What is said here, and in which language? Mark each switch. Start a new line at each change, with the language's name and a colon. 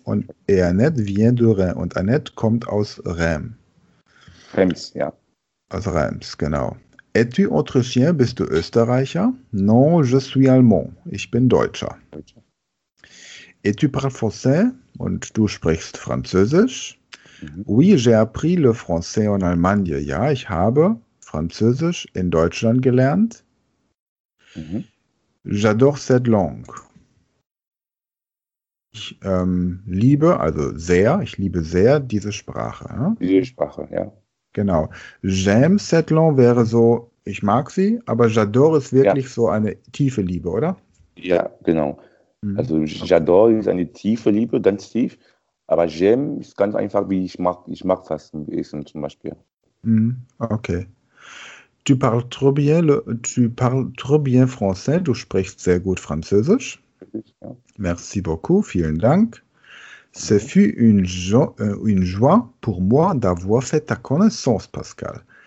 German: Und Annette
French: vient de Reims.
German: Und Annette kommt aus Reims. Reims, ja. Aus Reims, genau.
French: Es-tu autrichien,
German: bist du Österreicher?
French: Non, je suis allemand.
German: Ich bin Deutscher.
French: Es-tu parles français?
German: Und du sprichst Französisch?
French: Oui, j'ai appris le français en Allemagne.
German: Ja, ich habe Französisch in Deutschland gelernt.
French: J'adore cette langue.
German: Ich liebe, also sehr, ich liebe sehr diese Sprache. Hm? Diese Sprache, ja. Genau.
French: J'aime cette langue
German: wäre so, ich mag sie, aber j'adore ist wirklich so eine tiefe Liebe, oder? Ja, genau. Also j'adore ist eine tiefe Liebe, ganz tief. Aber j'aime ist ganz einfach, wie ich mag Fasten essen zum Beispiel. Okay.
French: Tu parles trop bien français.
German: Du sprichst sehr gut Französisch. Ja.
French: Merci beaucoup.
German: Vielen Dank.
French: Ce fut une joie pour moi d'avoir fait ta connaissance, Pascal.